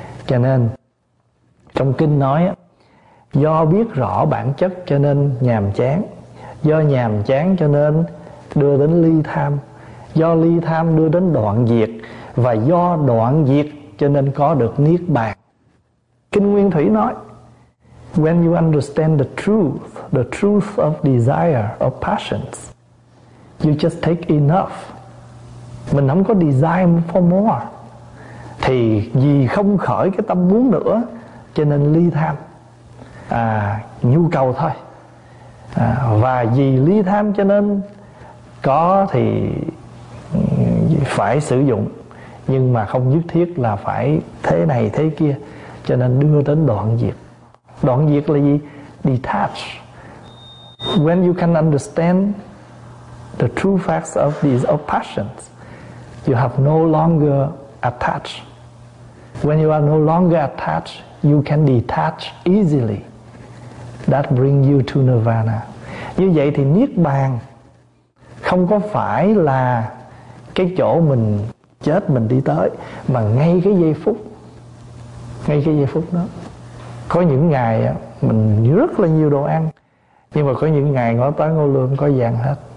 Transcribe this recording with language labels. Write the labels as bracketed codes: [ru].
[vi] Cho nên trong kinh nói do biết rõ bản chất cho nên nhàm chán, do nhàm chán cho nên đưa đến ly tham, do ly tham đưa đến đoạn diệt, và do đoạn diệt cho nên có được niết bàn. Kinh Nguyên Thủy nói [en] when you understand the truth of desire of passions, you just take enough. [vi] Mình không có [en] desire for more, [vi] thì vì không khởi cái tâm muốn nữa cho nên ly tham, nhu cầu thôi. Và vì ly tham cho nên có thì phải sử dụng, nhưng mà không nhất thiết là phải thế này thế kia, cho nên đưa đến đoạn diệt. Đoạn diệt là gì? Detach. [en] When you can understand the true facts of these of passions, you have no longer attached. When you are no longer attached, you can detach easily. That bring you to nirvana. [vi] Như vậy thì niết bàn không có phải là cái chỗ mình chết mình đi tới, mà ngay cái giây phút, ngay cái giây phút đó. Có những ngày mình rất là nhiều đồ ăn, nhưng mà có những ngày ngó tới ngô lương có vàng hết.